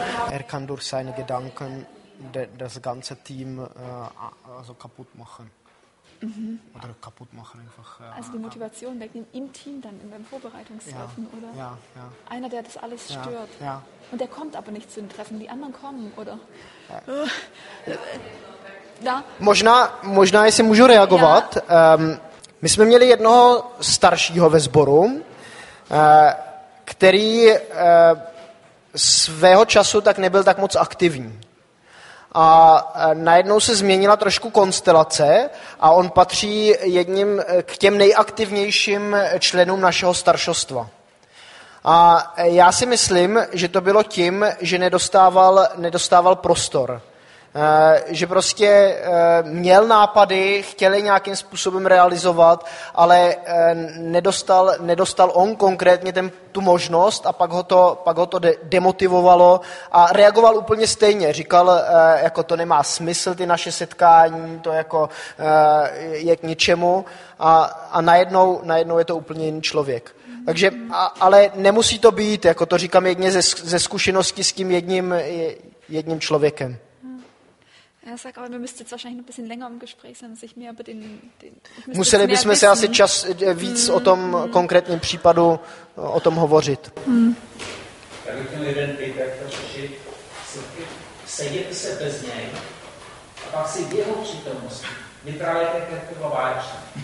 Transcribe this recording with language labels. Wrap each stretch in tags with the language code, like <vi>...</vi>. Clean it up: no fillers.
<de>Er kann durch seine Gedanken das ganze Team also kaputt machen. Mhm. Oder kaputt machen einfach. Also die Motivation wegnehmen im Team dann, in den Vorbereitungshilfen, ja, oder? Ja, ja. Einer, der das alles stört. Ja. Und der kommt aber nicht zu den Treffen, die anderen kommen, oder? Ja.</de> <cs>Možná, jestli můžu reagovat. Ja. My jsme měli jednoho staršího ve sboru, který svého času tak nebyl tak moc aktivní. A najednou se změnila trošku konstelace a on patří jedním k těm nejaktivnějším členům našeho staršostva. A já si myslím, že to bylo tím, že nedostával prostor. Že prostě měl nápady, chtěl je nějakým způsobem realizovat, ale nedostal on konkrétně tu možnost a pak ho to demotivovalo a reagoval úplně stejně. Říkal, jako to nemá smysl, ty naše setkání, to jako je k ničemu a najednou je to úplně jiný člověk. Takže, ale nemusí to být, jako to říkám jedně ze zkušenosti s tím jedním člověkem.</cs> <de>Já sag, aber wir müsste jetzt wahrscheinlich ein bisschen länger im Gespräch sein, sich mehr über den</de> <cs>Museli bychom se asi čas víc o tom konkrétním případu o tom hovořit. Já bych chtěl jeden pět, jak to řešit. Sejděte se bez něj a pak si v jeho přítomnosti vyprávěte, jak to bylo válečné.</cs>